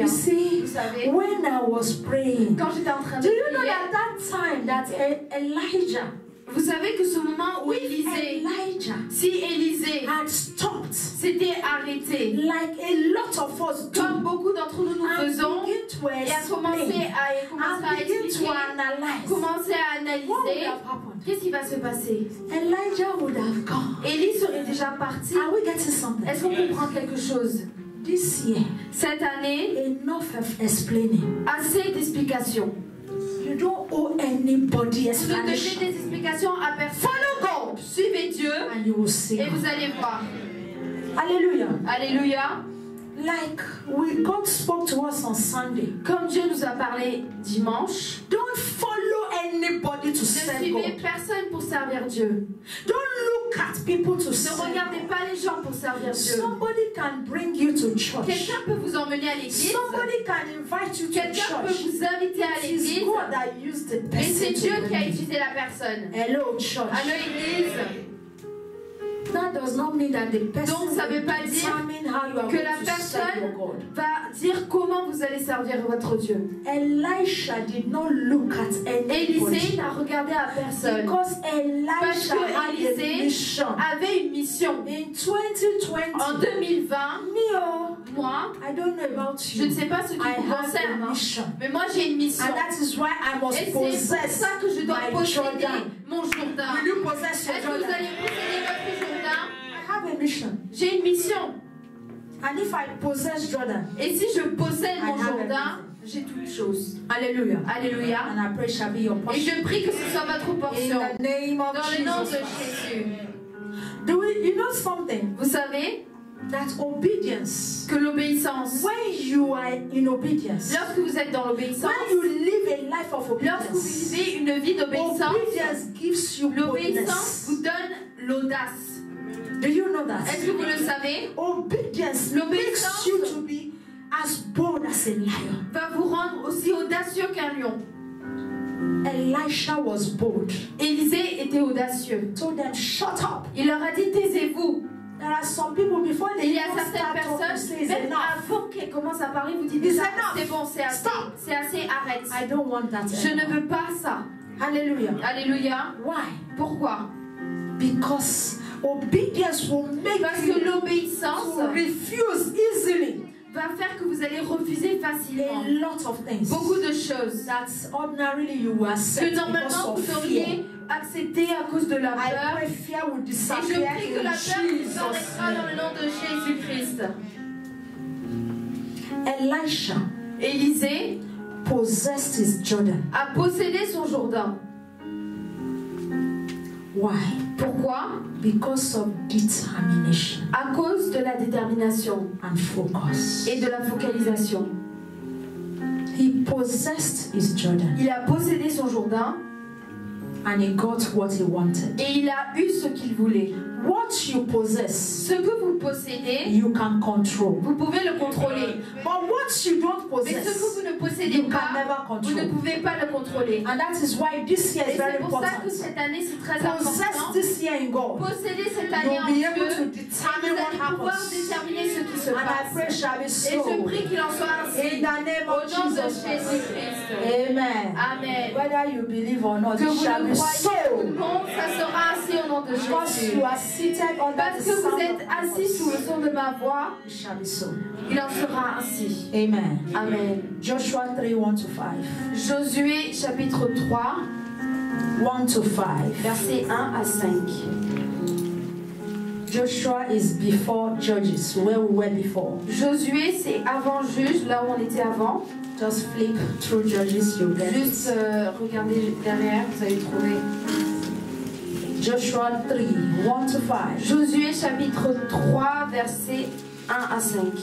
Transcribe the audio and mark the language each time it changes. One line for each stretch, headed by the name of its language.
English: you see, when I was praying,
French: quand j'étais en train
English: do
French: de
English: you
French: prier,
English: know at that time that Elijah,
French: vous savez que ce moment où Élisée,
English: Elijah,
French: si Élisée
English: had stopped,
French: s'était arrêté,
English: like a lot of us do,
French: comme beaucoup d'entre nous nous faisons, et a commencé à expliquer, commencé à analyser. Qu'est-ce qui va se passer?
English: Elijah would have gone.
French: Élie serait déjà parti.
English: Are we getting something?
French: Est-ce qu'on comprend quelque chose?
English: This year,
French: cette année,
English: enough of explaining.
French: Assez d'explications.
English: You don't owe anybody explanation.
French: Vous ne devez des explications à personne.
English: Follow God.
French: Suivez Dieu.
English: And you will see.
French: Et vous allez voir.
English: Alléluia.
French: Alléluia.
English: Like we God spoke to us on Sunday.
French: Comme Dieu nous a parlé dimanche.
English: Don't follow anybody to serve God.
French: Ne suivez personne pour servir Dieu.
English: Don't look at people to serve.
French: Ne regardez pas les gens pour servir Dieu.
English: Somebody can bring you to church.
French: Quelqu'un peut vous emmener à l'église.
English: Somebody can invite you to church.
French: Quelqu'un peut vous inviter à l'église.
English: It is God that used the person.
French: Et c'est Dieu qui a utilisé la personne.
English: Hello church.
French: Allô église.
English: That does not mean that the person
French: donc ça ne veut pas dire que la personne va dire comment vous allez servir votre Dieu.
English: Elisha did not look at anybody.
French: Élisée n'a regardé à personne.
English: Because Elisha
French: parce que Élisée avait une mission.
English: In 2020,
French: en 2020,
English: Mio,
French: moi,
English: I don't know about you,
French: je ne sais pas ce qui vous concerne,
English: mission,
French: mais moi j'ai une mission.
English: And that is why I must
French: et c'est pour ça que je dois posséder
English: Jordan.
French: Mon Jourdain.
English: Will you possess
French: est-ce
English: Jordan?
French: Que vous allez posséder votre Jourdain?
English: Mission.
French: J'ai une mission.
English: And if I possess Jordan,
French: et si je possède mon Jourdain, j'ai toutes choses.
English: Alléluia.
French: Alléluia.
English: And I pray shall be your portion.
French: Et je prie que ce soit votre portion.
English: In the name of
French: dans
English: Jesus.
French: Le nom de Jésus.
English: Do we, you know something?
French: Vous savez
English: that obedience,
French: que l'obéissance.
English: When you are in obedience,
French: lorsque vous êtes dans l'obéissance.
English: When you live a life of obedience,
French: lorsque vous vivez une vie d'obéissance.
English: Obedience gives you
French: l'obéissance
English: boldness.
French: Vous donne l'audace.
English: Do you know that?
French: Est-ce que vous le savez?
English: Obedience makes you to be as bold as a lion.
French: Va vous rendre aussi audacieux qu'un lion.
English: Elisha was bold.
French: Élisée était audacieux.
English: Told them shut up.
French: Il leur a dit taisez-vous.
English: There are some people before they
French: il y a certaines personnes même avant qu'elles commencent à parler vous dites ah, c'est bon c'est assez
English: stop.
French: C'est assez arrête.
English: I don't want that.
French: Je ne veux pas ça.
English: Alléluia.
French: Alléluia.
English: Why?
French: Pourquoi?
English: Because obedience will make
French: parce que l'obéissance
English: refuse easily
French: va faire que vous allez refuser facilement
English: a lot of things
French: beaucoup de choses
English: that ordinarily you accept
French: que normalement vous auriez accepté à cause de la peur.
English: I pray fear will disappear
French: et je prie que la peur
English: Jesus
French: disparaîtra dans le nom de Jésus Christ.
English: Elisha,
French: Élisée
English: possessed his Jordan,
French: a possédé son Jourdain.
English: Why?
French: Pourquoi?
English: Because of determination.
French: À cause de la détermination.
English: And focus.
French: Et de la focalisation.
English: He possessed his Jordan.
French: Il a possédé son Jourdain.
English: And he got what he wanted.
French: Et il a eu ce qu'il voulait.
English: What you possess,
French: ce que vous possédez,
English: you can control.
French: Vous pouvez le contrôler.
English: But what you don't possess,
French: mais ce que vous ne possédez
English: you
French: pas,
English: can never control.
French: Vous ne pouvez pas le contrôler.
English: And that is why this year is very important.
French: Et c'est pour ça que cette année c'est très important.
English: Possess this year in God.
French: Possédez cette année
English: you'll
French: en Dieu.
English: You'll be able to determine what happens.
French: Vous allez pouvoir déterminer ce qui se
English: and
French: passe.
English: And I pray shall be so.
French: Et je prie qu'il en soit ainsi.
English: In the name of
French: au nom
English: Jesus.
French: De Jésus Christ.
English: Amen.
French: Amen.
English: Whether you believe or not,
French: que
English: it shall be so.
French: Bon, ça sera ainsi au nom de Jésus.
English: Because
French: parce que vous êtes assis sous le son de ma voix, il en sera ainsi.
English: Amen.
French: Amen.
English: Joshua 3, 1 to 5.
French: Josué chapitre 3,
English: 1 to 5.
French: Versets 1 à 5.
English: Joshua is before judges, where we were before.
French: Josué c'est avant juge, là où on était avant.
English: Just flip through judges, you'll get it.
French: Juste regardez derrière, vous allez trouver.
English: Joshua 3, 1 to 5.
French: Josué chapitre 3, versets 1 à 5.